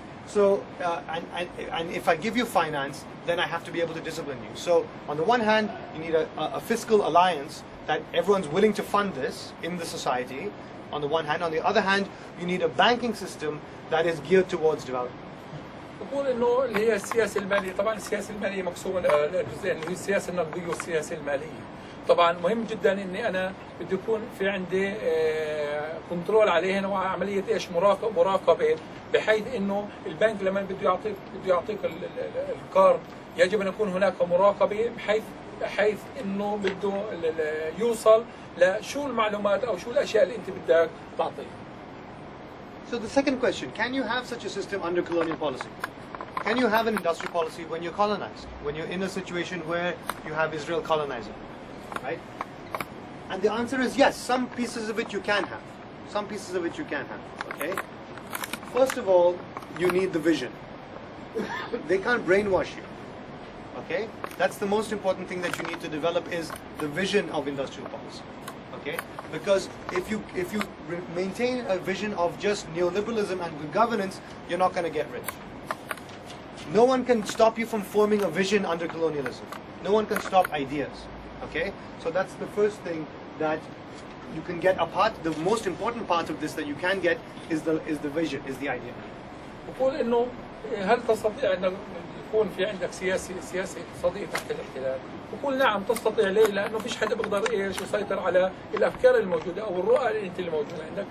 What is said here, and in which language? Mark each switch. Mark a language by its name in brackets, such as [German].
[English] So, and if I give you finance, then I have to be able to discipline you. So, on the one hand, you need a fiscal alliance that everyone's willing to fund this in the society, on the one hand. On the other hand, you need a banking system that is geared towards development. [Arabic] بقول إنه اللي هي السياسة المالية، طبعا السياسة المالية مقسومة لجزئين، اللي هي السياسة النقدية والسياسة المالية. طبعا مهم جدا إني أنا بدي يكون في عندي كنترول عليهن، وعملية إيش، مراقبة، بحيث إنه البنك لما بده يعطيك الكارد يجب أن يكون هناك مراقبة، بحيث إنه بده يوصل لشو المعلومات أو شو الأشياء اللي أنت بدك تعطيه. [English] So the second question, can you have such a system under colonial policy? Can you have an industry policy when you're colonized, when you're in a situation where you have Israel colonizing, right? And the answer is yes, some pieces of it you can have. Some pieces of it you can have, okay? First of all, you need the vision. They can't brainwash you, okay? That's the most important thing that you need to develop, is the vision of industrial policy. Okay, because if you maintain a vision of just neoliberalism and good governance, you're not going to get rich. No one can stop you from forming a vision under colonialism. No one can stop ideas. Okay, so that's the first thing that you can get. Apart, the most important part of this that you can get is the vision, is the idea. [Arabic] بقول إنه هل تستطيع إنه يكون في عندك سياسي اقتصادي تحت الاحتلال. بقول نعم تستطيع ليه، لانه فيش حدا بيقدر ايش يسيطر على الافكار الموجوده او الرؤى اللي انت الموجوده عندك.